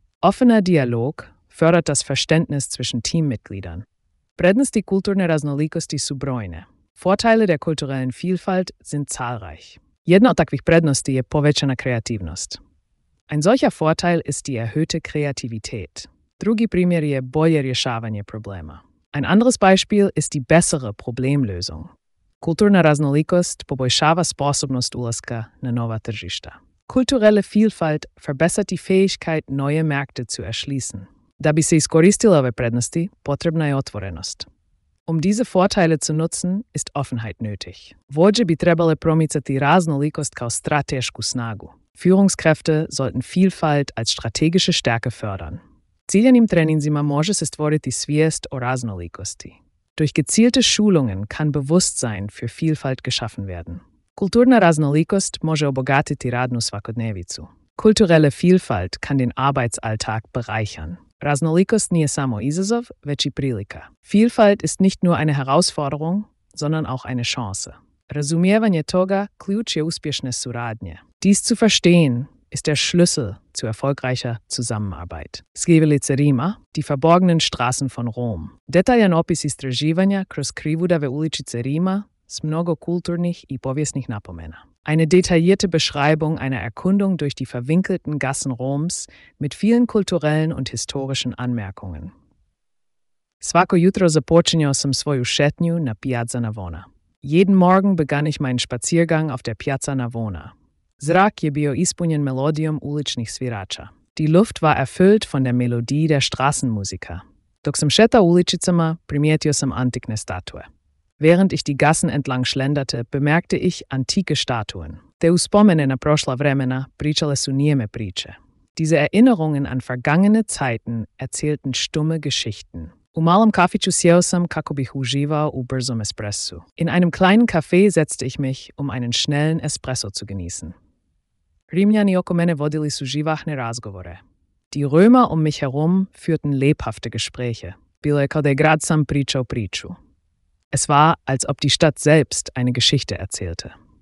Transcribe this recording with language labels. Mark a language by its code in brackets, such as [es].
[de] Offener Dialog fördert das Verständnis zwischen Teammitgliedern. [hr] Prednosti kulturne raznolikosti su brojne. [de] Vorteile der kulturellen Vielfalt sind zahlreich. [hr] Jedna od takvih prednosti je povećana kreativnost. [de] Ein solcher Vorteil ist die erhöhte Kreativität. [hr] Drugi primjer je bolje rješavanje problema. [de] Ein anderes Beispiel ist die bessere Problemlösung. [hr] Kulturna raznolikost poboljšava sposobnost ulaska na nova tržišta. [de] Kulturelle Vielfalt verbessert die Fähigkeit, neue Märkte zu erschließen. [hr] Da bi se iskoristile ove prednosti, potrebna je otvorenost. [de] Um diese Vorteile zu nutzen, ist Offenheit nötig. [hr] Vođe bi trebale promicati raznolikost kao stratešku snagu. [de] Führungskräfte sollten Vielfalt als strategische Stärke fördern. [hr] Ciljanim treninzima može se stvoriti svijest o raznolikosti. [de] Durch gezielte Schulungen kann Bewusstsein für Vielfalt geschaffen werden. [hr] Kulturna raznolikost može obogatiti radnu svakodnevicu. [de] Kulturelle Vielfalt kann den Arbeitsalltag bereichern. [hr] Raznolikost nije samo izazov, već i prilika. [de] Vielfalt ist nicht nur eine Herausforderung, sondern auch eine Chance. [hr] Razumijevanje toga ključ je uspješne suradnje. [de] Dies zu verstehen ist der Schlüssel zu erfolgreicher Zusammenarbeit. [hr] Skrivelice Rima, [de] die verborgenen Straßen von Rom. [hr] Detaljan opis istraživanja kroz krivu dave uličice Rima s mnogo kulturnih i povijesnih napomena. [de] Eine detaillierte Beschreibung einer Erkundung durch die verwinkelten Gassen Roms mit vielen kulturellen und historischen Anmerkungen. [hr] Svako jutro započinjao sam svoju šetnju na Piazza Navona. [de] Jeden Morgen begann ich meinen Spaziergang auf der Piazza Navona. [hr] Zrak je bio ispunjen melodijom uličnih svirača. [de] Die Luft war erfüllt von der Melodie der Straßenmusiker. [hr] Dok sam šetao uličicama, primijetio sam antikne statue. [de] Während ich die Gassen entlang schlenderte, bemerkte ich antike Statuen. [hr] Te uspomene na prošla vremena pričale su nijeme priče. [de] Diese Erinnerungen an vergangene Zeiten erzählten stumme Geschichten. [hr] U malom kafiću sjeo sam kako bih uživao u brzom espresso. [de] In einem kleinen Café setzte ich mich, um einen schnellen Espresso zu genießen. [hr] Rimljani oko mene vodili su živahne razgovore. [de] Die Römer um mich herum führten lebhafte Gespräche. [hr] Bilo je kao da je grad sam pričao priču. [de] Es war, als ob die Stadt selbst eine Geschichte erzählte.